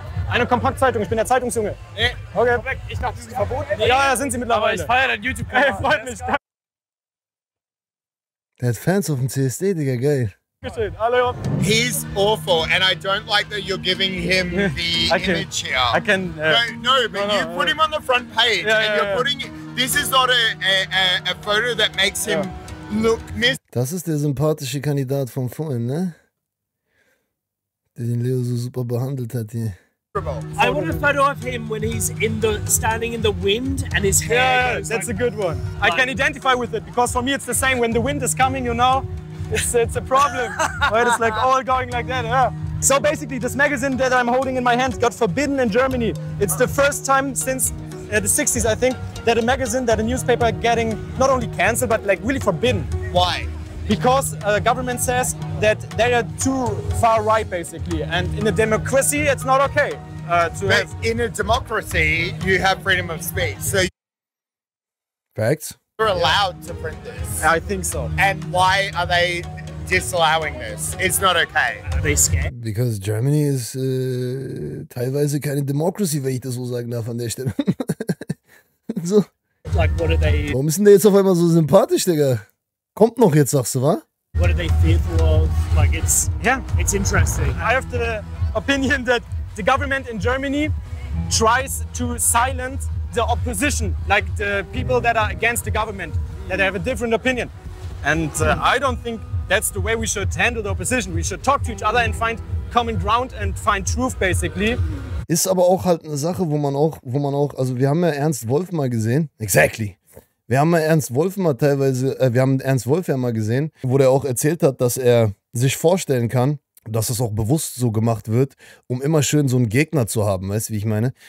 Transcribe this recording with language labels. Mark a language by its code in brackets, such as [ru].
[de] Eine Kompaktzeitung, ich bin der Zeitungsjunge. Nee, okay. Komm weg. Ich dachte, sie sind verboten. Nee. Ja, sind sie mittlerweile. Aber ich feiere deinen YouTube-Kanal. Ey, freut mich. Der hat Fans auf dem CSD, Digga, geil. [en] He's awful, and I don't like that you're giving him the image here. I can... No, put him on the front page. Yeah, and you're putting... This is not a photo that makes him look... [de] Das ist der sympathische Kandidat von vorhin, ne? Der den Leo so super behandelt hat hier. [en] I want a photo of him when he's standing in the wind and his hair... Yeah, that's like, a good one. I can identify with it, because for me it's the same. When the wind is coming, you know, it's a problem. Right, it's like all going like that, yeah. So basically, this magazine that I'm holding in my hand got forbidden in Germany. It's the first time since the 60s, I think, that a magazine, that a newspaper getting not only cancelled, but like really forbidden. Why? Because the government says that they are too far right, basically. And in a democracy, it's not okay. In a democracy, you have freedom of speech. So facts? You're allowed to print this. I think so. And why are they disallowing this? It's not okay. Are they scared? Because Germany is [de] teilweise keine Demokratie, wenn ich das so sagen darf an der Stelle. So. [en] Like, what are they... [de] Warum ist denn der jetzt auf einmal so sympathisch, Digga? Kommt noch jetzt, sagst du, wa? [en] What are they fearful of? Like, it's, yeah, it's interesting. I have the opinion that the government in Germany tries to silence the opposition, like the people that are against the government, that have a different opinion. And I don't think that's the way we should handle the opposition. We should talk to each other and find common ground and find truth, basically. [de] Ist aber auch halt eine Sache, wo man auch, also wir haben ja Ernst Wolf mal gesehen. [en] Exactly. [de] Wir haben ja Ernst Wolf mal teilweise, wir haben Ernst Wolf ja mal gesehen, wo der auch erzählt hat, dass er sich vorstellen kann, dass das auch bewusst so gemacht wird, um immer schön so einen Gegner zu haben, weißt du, wie ich meine?